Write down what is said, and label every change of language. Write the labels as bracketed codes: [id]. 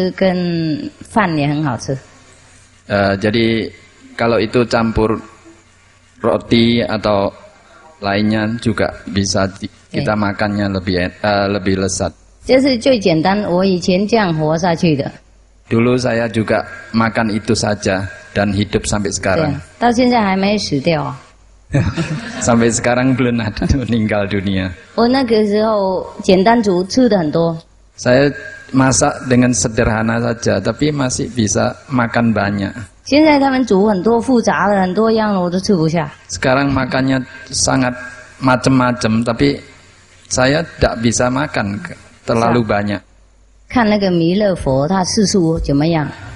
[zh] 那个跟那个面包也很好吃，跟饭也很好吃。 [id] Jadi kalau itu campur roti atau lainnya juga bisa kita makannya lebih lebih lezat. [zh] 这是最简单，我以前这样活下去的。 [id] Dulu saya juga makan itu saja dan hidup sampai sekarang. [zh] 到现在还没死掉。 [id] Sampai sekarang belum ada meninggal dunia. [zh] Oh, 那个时候简单煮吃的很多. [id] Saya masak dengan sederhana saja, tapi masih bisa makan banyak. [zh] 现在他们煮很多复杂的很多样的，我都吃不下. [id] Sekarang makannya sangat macam-macam, tapi saya tidak bisa makan terlalu banyak. [zh] 看那个弥勒佛，他世俗怎么样？